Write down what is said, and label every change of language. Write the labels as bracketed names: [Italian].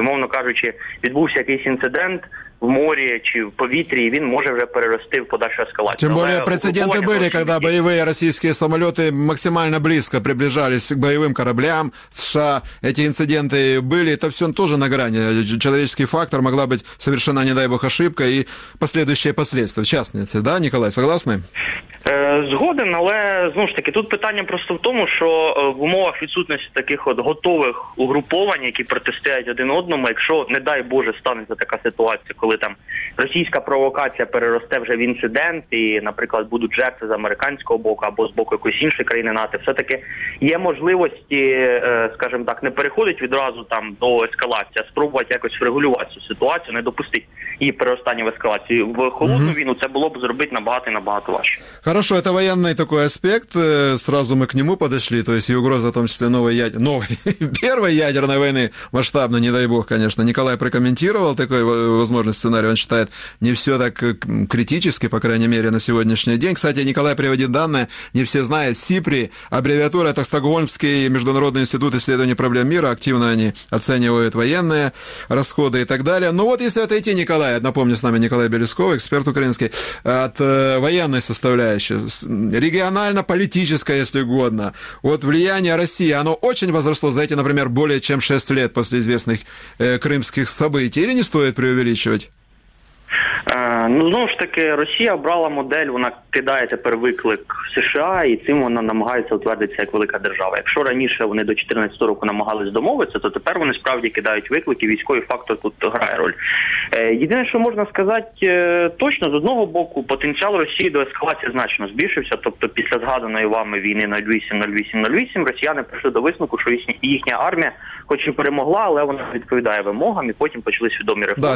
[Ukrainian] Умовно кажучи, відбувся якийсь інцидент в морі чи в повітрі, він може вже перерости в подальшу ескалацію. Тим більше прецеденти були, коли бойові російські самоліти максимально близько [Russian] приближались к [Ukrainian] бойовим кораблям США. Ці інциденти були, то все теж на грані. [Russian] Человеческий фактор, могла бути совершена, не дай Бог, ошибка і последующие последствия. В частности, да, Николай, согласны? [Ukrainian] Згоден, але, знову ж таки, тут питання просто в тому, що в умовах відсутності таких от готових угруповань, які протистоять один одному, якщо, не дай Боже, станеться така ситуація, коли там російська провокація переросте вже в інцидент і, наприклад, будуть жертви з американського боку або з боку якоїсь іншої країни НАТО, все-таки є можливості, скажімо так, не переходить відразу там до ескалації, а спробувати якось врегулювати цю ситуацію, не допустити її переростання в ескалацію. В холодну війну це було б зробити набагато і набагато важче. [Russian] Хорошо, это военный такой аспект, сразу мы к нему подошли, то есть и угроза, в том числе, первой ядерной войны, масштабной, не дай бог, конечно. Николай прокомментировал такой возможный сценарий, он считает, не все так критически, по крайней мере, на сегодняшний день. Кстати, Николай приводит данные, не все знают, СИПРИ, аббревиатура, это Стокгольмский международный институт исследования проблем мира, активно они оценивают военные расходы и так далее. Ну вот, если отойти, Николай, напомню, с нами Николай Белесков, эксперт украинский, от военной составляющей, регионально-политическая, если угодно. Вот влияние России, оно очень возросло за эти, например, более чем 6 лет после известных крымских событий, или не стоит преувеличивать? [Ukrainian] Ну, знову ж таки, Росія обрала модель, вона кидає тепер виклик США, і цим вона намагається утвердитися як велика держава. Якщо раніше вони до 2014 року намагались домовитися, то тепер вони справді кидають виклик, і військовий фактор тут грає роль. Єдине, що можна сказати точно, з одного боку, потенціал Росії до ескалації значно збільшився, тобто після згаданої вами війни 08-08-08, росіяни прийшли до висновку, що їхня армія хоч і перемогла, але вона відповідає вимогам, і потім почали свідомі реформи.